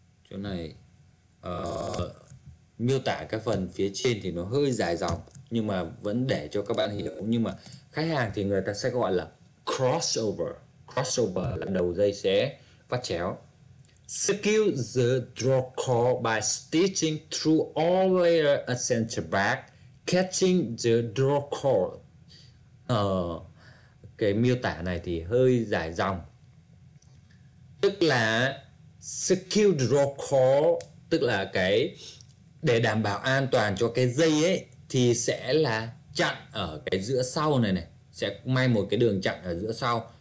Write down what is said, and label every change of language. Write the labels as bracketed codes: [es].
[vi] Chỗ này miêu tả các phần phía trên thì nó hơi dài dòng nhưng mà vẫn để cho các bạn hiểu, nhưng mà khách hàng thì người ta sẽ gọi là crossover. Crossover là đầu dây sẽ vắt chéo. [en] Secure the draw cord by stitching through all layer at center back, catching the draw cord. [vi] Cái miêu tả này thì hơi dài dòng. Tức là [en] secure draw cord, [vi] tức là cái để đảm bảo an toàn cho cái dây ấy, thì sẽ là chặn ở cái giữa sau này này, sẽ may một cái đường chặn ở giữa sau.